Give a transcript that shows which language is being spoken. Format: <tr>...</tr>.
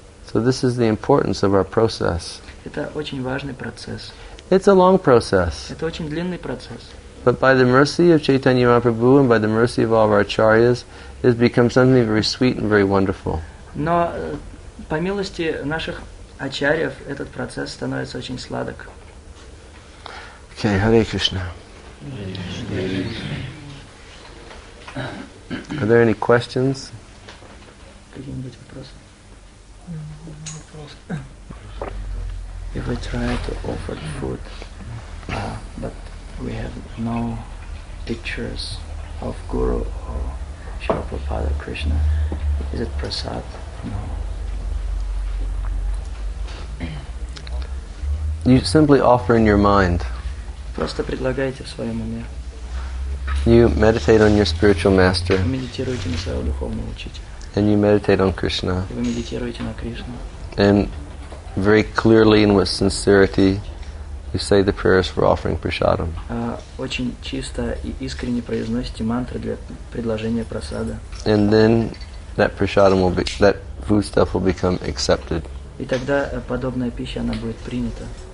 <en>So this is the importance of our process.</en> <ru>Это очень важный процесс.</ru> <en>It's a long process.</en> <ru>Это очень длинный процесс.</ru> <en>But by the mercy of Chaitanya Mahaprabhu and by the mercy of all of our acharyas, it's become something very sweet and very wonderful.</en> <ru>Но по милости наших ачарьев этот процесс становится очень сладок.</ru> <en>Okay, Hare Krishna. Are there any questions?</en> <ru>Какие-нибудь вопросы?</ru> <en>If we try to offer food, but we have no pictures of Guru or Sri Prabhupada Krishna, is it prasad? No. You simply offer in your mind.</en> <ru>Просто предлагайте в своем уме.</ru> <en>You meditate on your spiritual master.</en> <ru>Медитируйте на своего духовного учителя.</ru> <en>And you meditate on Krishna.</en> <ru>И вы медитируете на Кришну.</ru> <en>And very clearly and with sincerity you say the prayers for offering prasadam.</en> <ru>Очень чисто и искренне произносите мантры для предложения прасада.</ru> <en>And then that prasadam will be, that foodstuff will become accepted.</en> <ru>И тогда подобная пища, она будет принята.</ru>